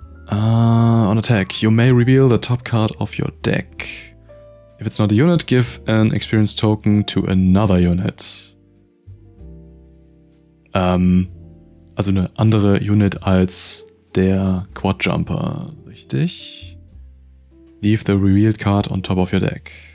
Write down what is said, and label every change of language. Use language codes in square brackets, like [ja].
[en] On attack, you may reveal the top card of your deck. If it's not a unit, give an experience token to another unit. [de] Also eine andere Unit als der Quadjumper, richtig? [en] Leave the revealed card on top of your deck.